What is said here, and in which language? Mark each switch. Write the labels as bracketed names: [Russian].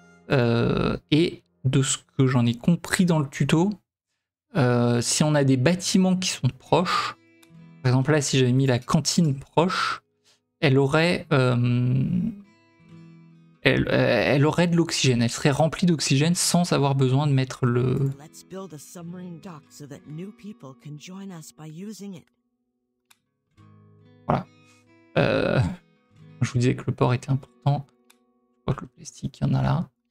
[French] Et de ce que j'en ai compris dans le tuto, si on a des bâtiments qui sont proches, par exemple là, si j'avais mis la cantine proche, elle aurait de l'oxygène. Elle serait remplie d'oxygène sans avoir besoin de mettre le... [English] Let's build a submarine dock so that new people can join us by using it. [French] Voilà. Je vous disais que le port était important. Je crois que le plastique, il y en a là.